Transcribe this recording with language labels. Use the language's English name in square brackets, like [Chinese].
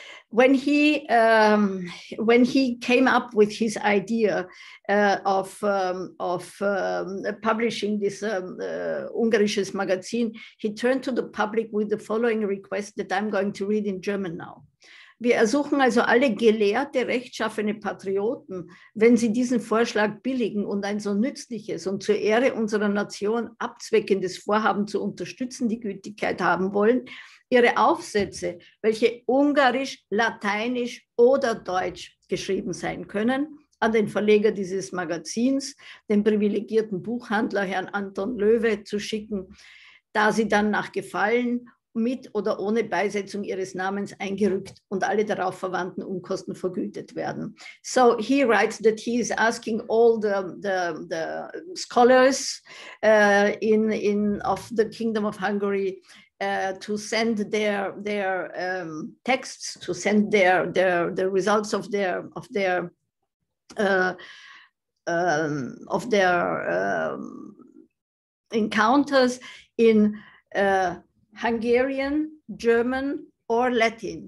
[English] when he came up with his idea publishing this Ungarisches Magazin, he turned to the public with the following request that I'm going to read in German now. [German] Wir ersuchen also alle gelehrte, rechtschaffene Patrioten, wenn sie diesen Vorschlag billigen und ein so nützliches und zur Ehre unserer Nation abzweckendes Vorhaben zu unterstützen, die Gültigkeit haben wollen, ihre Aufsätze, welche Ungarisch, Lateinisch oder Deutsch geschrieben sein können, an den Verleger dieses Magazins, den privilegierten Buchhandler Herrn Anton Löwe, zu schicken, da sie dann nach Gefallen mit oder ohne Beisetzung ihres Namens eingerückt und alle darauf verwandten Unkosten vergütet werden. [English] So he writes that he is asking all the scholars in of the Kingdom of Hungary to send their texts, to send the results of their encounters in Hungarian, German, or Latin.